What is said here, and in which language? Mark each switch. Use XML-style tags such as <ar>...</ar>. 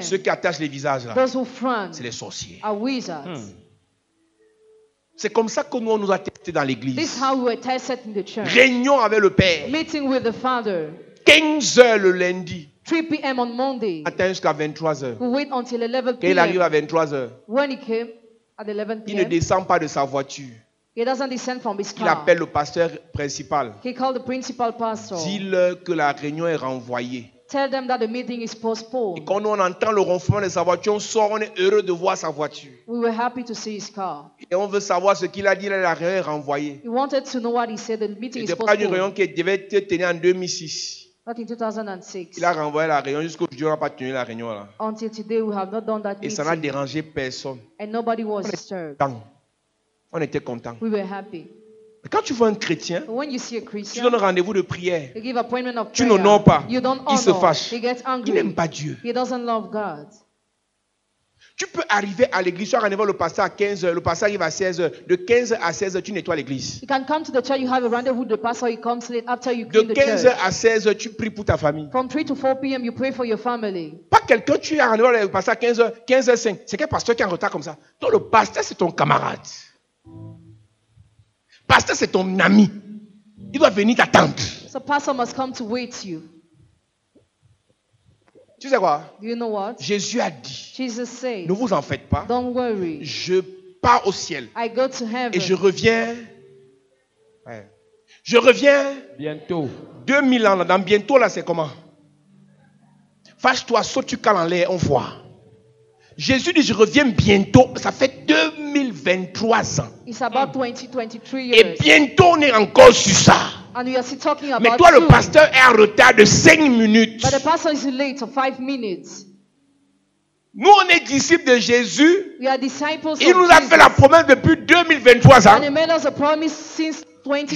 <fr>ceux qui attachent les visages, là,</fr> <en>those who frown,</en> <fr>c'est les sorciers.</fr> <en>Are wizards. Hmm.</en> <fr>C'est comme ça que nous, on nous a testés dans l'église.</fr> <en>This is how we were tested in the church.</en> <fr>Réunion avec le Père.</fr> <en>Meeting with the Father.</en> <fr>15h le lundi.</fr> <en>3 p.m. on Monday.</en> <fr>Attends jusqu'à 23h.</fr> <en>We wait until 11 p.m.</en> <fr>Quand il arrive à 23h.</fr> <en>When he came at 11 p.m.</en> <fr>Il ne descend pas de sa voiture.</fr> <en>He doesn't descend from his car.</en> <fr>Il appelle le pasteur principal.</fr> <en>He called the principal pastor.</en> <fr>Dis-leur que la réunion est renvoyée.</fr> <en>Tell them that the meeting is postponed.</en> <fr>Et quand nous, on entend le ronflement de sa voiture, on sort, on est heureux de voir sa voiture.</fr> <en>We were happy to see his car.</en> <fr>Et on veut savoir ce qu'il a dit, la réunion est renvoyée.</fr> <en>He wanted to know what he said. The meeting</en> <fr>il</fr> <en>is postponed.</en> <fr>Une réunion qui devait être tenue en 2006.</fr> <en>But in 2006,</en> <fr>il a renvoyé la réunion jusqu'au jour où on n'a pas tenu la réunion là.</fr> <en>Until today, we have not done that meeting.</en> <fr>Et ça n'a dérangé personne.</fr> <en>And nobody was disturbed.</en> <fr>On était content.</fr> <en>We were happy.</en> <fr>Mais quand tu vois un chrétien,</fr> <en>when you see a Christian,</en> <fr>tu donnes rendez-vous de prière,</fr> <en>you give appointment of prayer,</en> <fr>tu n'honores pas,</fr> <en>you don't honor,</en> <fr>il se fâche,</fr> <en>he gets angry,</en> <fr>il n'aime pas Dieu.</fr> <en>He doesn't love God.</en> <fr>Tu peux arriver à l'église, tu as rendez-vous le pasteur à 15h, le pasteur arrive à 16h. De 15h à 16h, tu nettoies l'église.</fr> <en>You can come to the church, you have a rendezvous with the pastor, he comes late after you clean the church.</en> <fr>De 15h à 16h, tu pries pour ta famille.</fr> <en>From 3 to 4 p.m., you pray for your family.</en> <fr>Pas quelqu'un, tu as rendez-vous le pasteur à 15h, 15h05. C'est quel pasteur qui est en retard comme ça? Non, le pasteur, c'est ton camarade. Pasteur, c'est ton ami. Il doit venir t'attendre.</fr> <en>So, pastor must come to wait you.</en> <fr>Tu sais quoi?</fr> <en>Do you know what?</en> <fr>Jésus a dit,</fr> <en>Jesus said,</en> <fr>ne vous en faites pas.</fr> <en>Don't worry.</en> <fr>Je pars au ciel.</fr> <en>I go to heaven.</en> <fr>Et je reviens. Ouais. Je reviens. Bientôt. 2000 ans. Là, dans bientôt, là, c'est comment? Fâche-toi, saute, tu cales en l'air, on voit. Jésus dit, je reviens bientôt. Ça fait 2023 ans.</fr> <en>It's about 2023 years.</en> <fr>Et bientôt, on est encore sur ça.</fr> <en>And we are still talking about</en> <fr>mais toi,</fr> <en>two.</en> <fr>Le pasteur est en retard de 5 minutes.</fr> <en>But the pastor is late for 5 minutes.</en> <fr>Nous, on est disciples de Jésus.</fr> <en>We are disciples</en> <fr>il nous a</fr> <en>Jesus.</en> <fr>Fait la promesse depuis 2023 ans.</fr> <en>And he made us a promise since 2023.</en>